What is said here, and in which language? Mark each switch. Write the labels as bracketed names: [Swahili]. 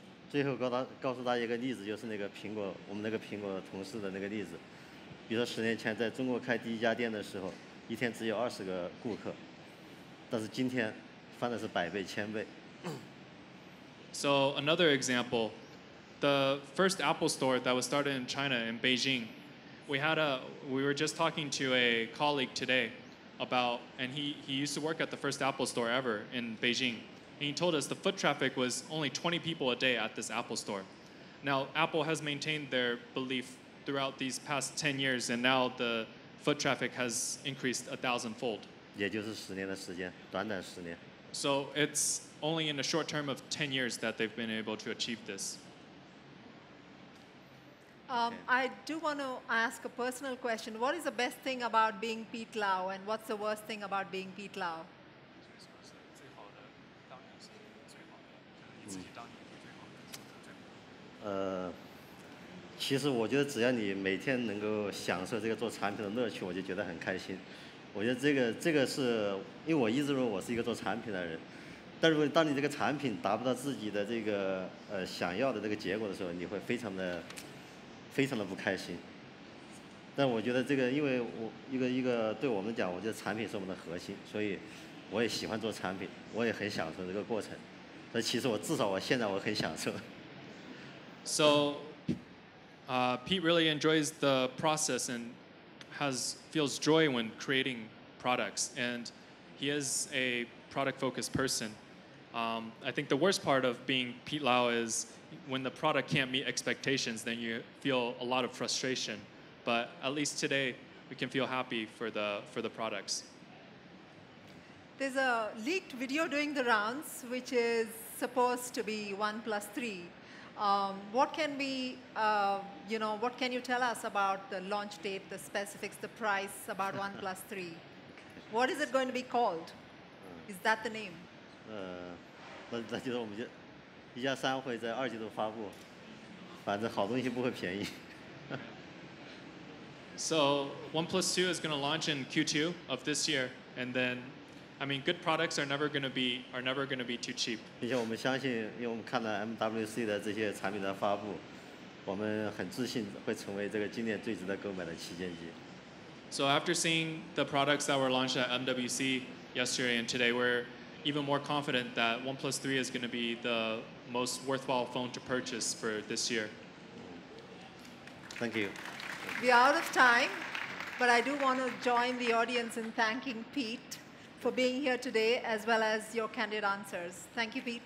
[Chinese] 最后告诉大家一个例子，就是那个苹果，我们那个苹果同事的那个例子。比如说十年前在中国开第一家店的时候，一天只有20个顾客，但是今天翻的是百倍千倍。 [English] So another example, the first Apple store that was started in China, in Beijing, we were just talking to a colleague today about, and he used to work at the first Apple store ever in Beijing. And he told us the foot traffic was only 20 people a day at this Apple store. Now, Apple has maintained their belief throughout these past 10 years, and now the foot traffic has increased 1,000-fold. [Chinese] 也就是十年的时间，短短十年。 [English] So it's only in a short term of 10 years that they've been able to achieve this. I do want to ask a personal question. What is the best thing about being Pete Lau, and what's the worst thing about being Pete Lau? Mm. [Chinese] 其实我觉得只要你每天能够享受这个做产品的乐趣，我就觉得很开心。我觉得这个是因为我一直认为我是一个做产品的人。但是当你这个产品达不到自己的这个想要的这个结果的时候，你会非常的不开心。但我觉得这个，因为我一个对我们讲，我觉得产品是我们的核心，所以我也喜欢做产品，我也很享受这个过程。所以其实我至少我现在我很享受。 [English] So, Pete really enjoys the process and feels joy when creating products, and he is a product-focused person. I think the worst part of being Pete Lau is when the product can't meet expectations, then you feel a lot of frustration. But at least today, we can feel happy for the products. There's a leaked video doing the rounds, which is supposed to be OnePlus 3. What can you tell us about the launch date, the specifics, the price about OnePlus 3? What is it going to be called? Is that the name? [Chinese] 那就是我们就一加三会在二季度发布，反正好东西不会便宜。 [English] So OnePlus 2 is going to launch in Q2 of this year, and then, I mean, good products are never going to be too cheap. [Chinese] 并且我们相信，因为我们看了 MWC 的这些产品的发布，我们很自信会成为这个今年最值得购买的旗舰机。 [English] So after seeing the products that were launched at MWC yesterday and today, we're even more confident that OnePlus 3 is going to be the most worthwhile phone to purchase for this year. Thank you. We are out of time. But I do want to join the audience in thanking Pete for being here today, as well as your candid answers. Thank you, Pete.